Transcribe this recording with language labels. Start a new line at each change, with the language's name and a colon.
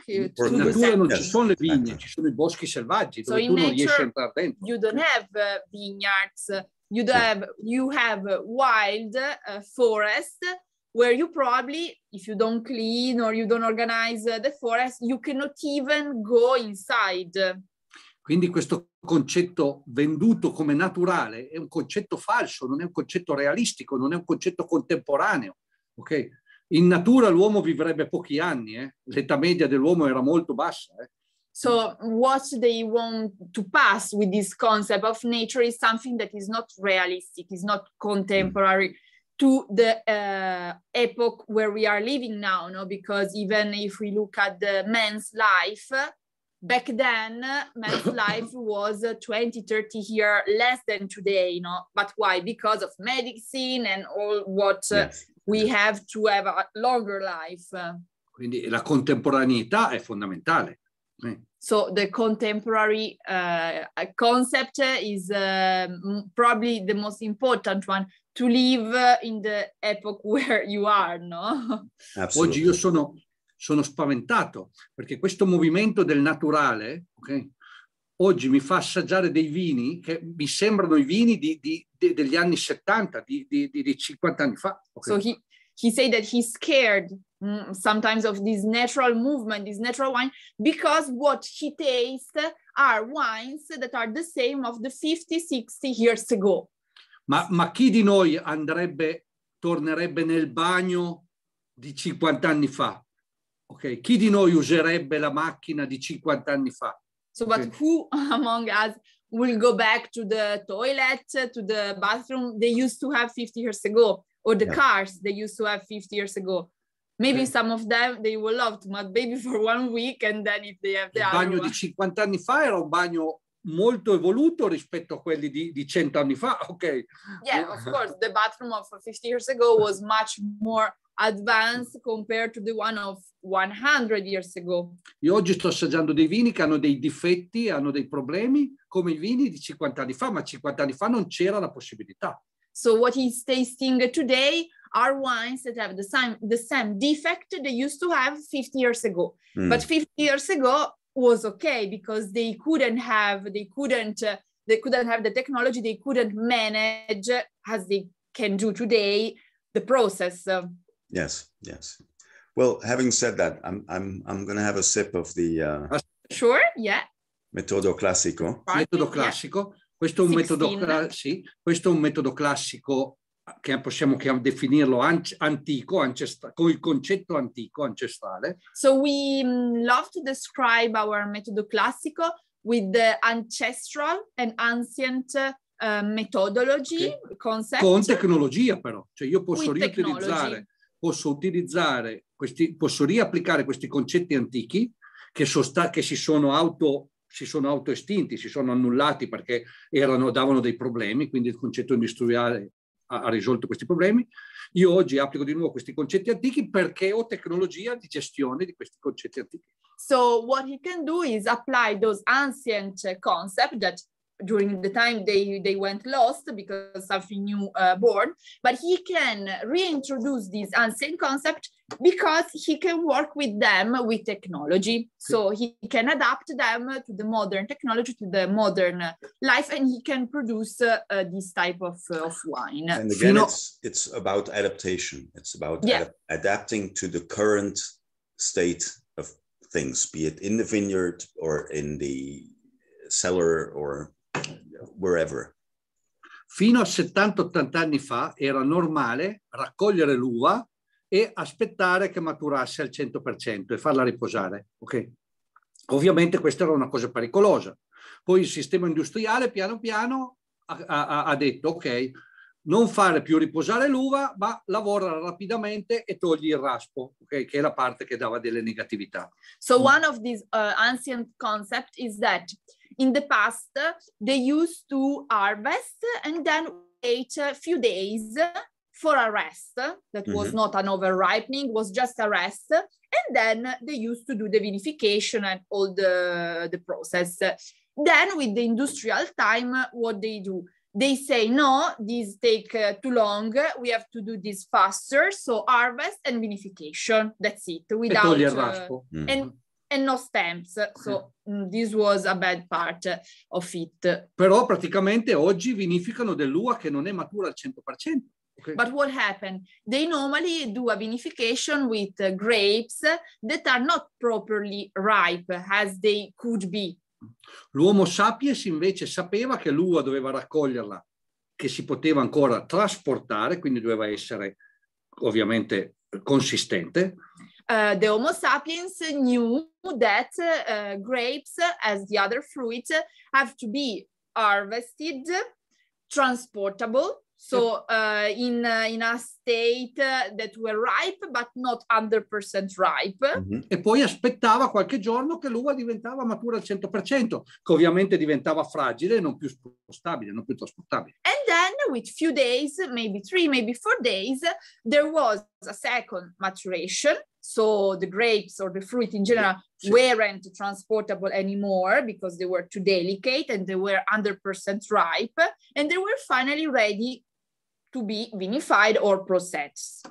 Italian: In natura non ci sono le vigne, ci sono i boschi selvaggi dove tu non riesci a entrare dentro.
English: You don't have vineyards. You have wild forest where you probably, if you don't clean or you don't organize the forest, you cannot even go inside.
Italian: Quindi questo concetto venduto come naturale è un concetto falso, non è un concetto realistico, non è un concetto contemporaneo, ok? In natura l'uomo vivrebbe pochi anni, l'età media dell'uomo era molto bassa.
English: So what they want to pass with this concept of nature is something that is not realistic, is not contemporary to the epoch where we are living now, no? Because even if we look at the man's life, back then, man's life was 20-30 years less than today, no? But why? Because of medicine and all what we have to have a longer life.
Italian: Quindi la contemporaneità è fondamentale.
English: So the contemporary concept is probably the most important one, to live in the epoch where you are, no? Absolutely.
Italian: Oggi io sono spaventato, perché questo movimento del naturale, okay, oggi mi fa assaggiare dei vini che mi sembrano i vini degli anni 70, di 50 anni fa.
English: Okay. So he said that he's scared sometimes of this natural movement, this natural wine, because what he tastes are wines that are the same of the 50-60 years ago.
Italian: Ma chi di noi tornerebbe nel bagno di 50 anni fa? Okay. Chi di noi userebbe la macchina di 50 anni fa?
English: So, but who among us will go back to the toilet, to the bathroom they used to have 50 years ago, or the cars they used to have 50 years ago? Maybe some of them they will love to, but maybe for 1 week, and then if they have the other
Italian: bagno di 50 anni fa era un bagno molto evoluto rispetto a quelli di 100 anni fa.
English: Okay. Yeah, of course, the bathroom of 50 years ago was much more advanced compared to the one of 100 years ago.
Italian: Io oggi sto assaggiando dei vini che hanno dei difetti, hanno dei problemi, come i vini di 50 anni fa, ma 50 anni fa non c'era la possibilità.
English: So what he's tasting today are wines that have the same defect they used to have 50 years ago. Mm. But 50 years ago was okay because they couldn't have the technology, they couldn't manage as they can do today the process. Yes, yes. Well, having said that, I'm going to have a sip of the Sure, yeah.
Italian: Metodo classico. Metodo classico. Questo è un metodo classico che possiamo definirlo antico, con il concetto antico ancestrale.
English: So we love to describe our metodo classico with the ancestral and ancient methodology concept.
Italian: Con tecnologia però, cioè io posso riutilizzare questi, posso riapplicare questi concetti antichi che si sono autoestinti, si sono annullati perché davano dei problemi, quindi il concetto industriale ha risolto questi problemi. Io oggi applico di nuovo questi concetti antichi perché ho tecnologia di gestione di questi concetti antichi.
English: So what he can do is apply those ancient concepts that during the time they went lost because something new born, but he can reintroduce these ancient concepts because he can work with them with technology. So he can adapt them to the modern technology, to the modern life, and he can produce this type of wine. And again, it's about adaptation. It's about adapting to the current state of things, be it in the vineyard or in the cellar or wherever.
Italian: Fino a 70-80 anni fa era normale raccogliere l'uva e aspettare che maturasse al 100% e farla riposare. Ok. Ovviamente questa era una cosa pericolosa. Poi il sistema industriale piano piano ha detto ok, non fare più riposare l'uva, ma lavora rapidamente e togli il raspo, okay? Che è la parte che dava delle negatività.
English: So one of these ancient concept is that in the past they used to harvest and then wait a few days for a rest. That was not an overripening, was just a rest. And then they used to do the vinification and all the process. Then with the industrial time, what they do? They say, no, these take too long. We have to do this faster. So harvest and vinification, that's it. Without il raspo. And no stamps. So this was a bad part of it.
Italian: Però praticamente oggi vinificano dell'uva che non è matura al 100%.
English: Okay. But what happened? They normally do a vinification with grapes that are not properly ripe as they could be.
Italian: L'uomo sapiens invece sapeva che l'uva doveva raccoglierla, che si poteva ancora trasportare, quindi doveva essere ovviamente consistente.
English: The Homo sapiens knew that grapes, as the other fruit, have to be harvested, transportable, so in a state that were ripe, but not 100% ripe.
Italian: E poi aspettava qualche giorno che l'uva diventava matura al 100%, che ovviamente diventava fragile e non più spostabile, non più trasportabile.
English: And then, with few days, maybe 3, maybe 4 days, there was a second maturation. So the grapes or the fruit in general weren't transportable anymore because they were too delicate and they were 100% ripe and they were finally ready to be vinified or processed.